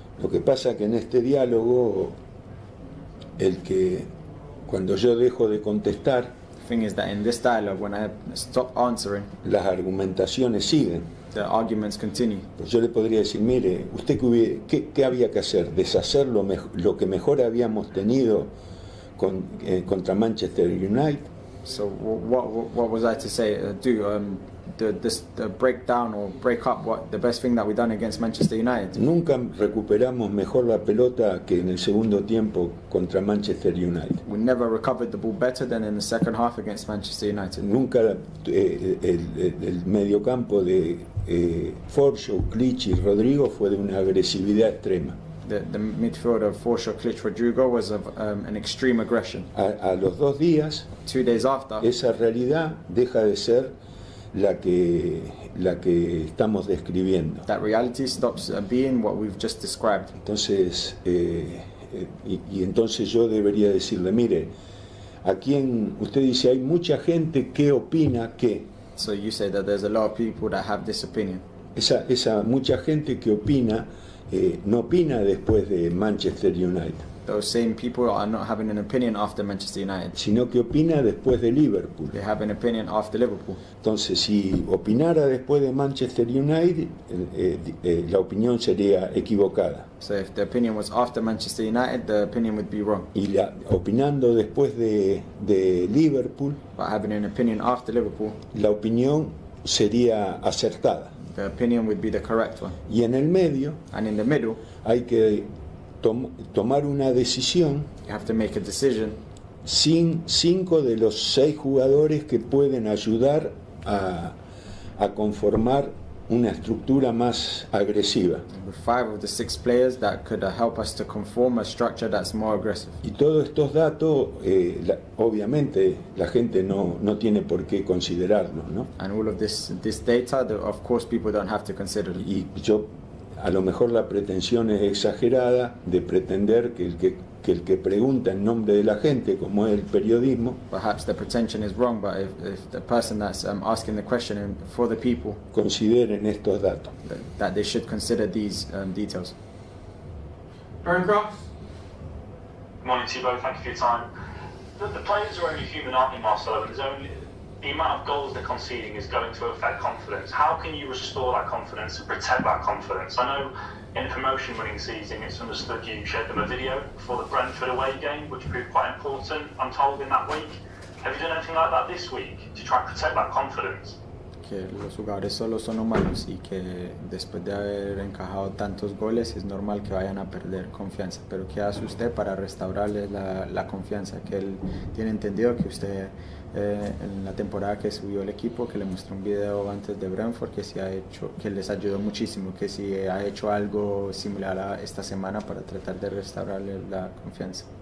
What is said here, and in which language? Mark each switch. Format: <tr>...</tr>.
<es>Lo que pasa que en este diálogo, el que cuando yo dejo de contestar,</es> <en>the thing is that in this dialogue, when I stop answering,</en> <es>las argumentaciones siguen.</es> <en>The arguments continue.</en> <es>Pues yo le podría decir, mire, usted qué había que hacer, deshacer lo que mejor habíamos tenido contra Manchester United.</es> <en>So what was I to say? The breakdown or break up what the best thing that we've done against Manchester United.</en> <es>Nunca recuperamos mejor la pelota que en el segundo tiempo contra Manchester United.</es> <en>We never recovered the ball better than in the second half against Manchester United.</en> <es>Nunca el mediocampo de Forshaw, Clich y Rodrigo fue de una agresividad extrema.</es> <en>The midfield of Forshaw, Clich, Rodrigo was of an extreme aggression.</en> <es>A los dos días,</es> <en>2 days after,</en> <es>esa realidad deja de ser la que estamos describiendo.</es> <en>That reality stops being what we've just described.</en> <es>Entonces, y entonces yo debería decirle, mire, a quien usted dice hay mucha gente que opina que.</es> <en>So you say that there's a lot of people that have this opinion.</en> <es>Esa mucha gente que opina no opina después de Manchester United.</es> <en>Those same people are not having an opinion after Manchester United.</en> <es>Sino que opina después de Liverpool.</es> <en>They have an opinion after Liverpool.</en> <es>Entonces, si opinara después de Manchester United, la opinión sería equivocada.</es> <en>So if the opinion was after Manchester United, the opinion would be wrong.</en> <es>Y opinando después de Liverpool,</es> <en>but having an opinion after Liverpool,</en> <es>la opinión sería acertada.</es> <en>The opinion would be the correct one.</en> <es>Y en el medio,</es> <en>and in the middle,</en> <es>hay que tomar una decisión.</es> <en>You have to make a decision.</en> <es>Sin 5 de los 6 jugadores que pueden ayudar a conformar una estructura más agresiva.</es> <en>With 5 of the 6 players that could help us to conform a structure that's more aggressive.</en> <es>Y todos estos datos, obviamente, la gente no tiene por qué considerarlos, ¿no?</es> <en>And all of this data, of course, people don't have to consider.</en> <es>Y yo, a lo mejor la pretensión es exagerada de pretender que el que pregunta en nombre de la gente, como es el periodismo,</es> <en>perhaps the pretension is wrong, but if the person that's asking the question for the people,</en> <es>consideren estos datos,</es> <en>that they should consider these details. Burncroft. Good morning to you both. Thank you for your time. The players are only human, aren't they, Marcelo? And the amount of goals they're conceding is going to affect confidence. How can you restore that confidence and protect that confidence? I know in the promotion winning season, it's understood you showed them a video for the Brentford away game, which proved quite important, I'm told, in that week. Have you done anything like that this week to try and protect that confidence?</en> <es>Que los jugadores solo son humanos y que después de haber encajado tantos goles es normal que vayan a perder confianza. Pero ¿qué hace usted para restaurarle la confianza? Que él tiene entendido que usted, en la temporada que subió el equipo, que le mostró un video antes de Brentford, que sí ha hecho, que les ayudó muchísimo, que sí ha hecho algo similar a esta semana para tratar de restaurarle la confianza.</es>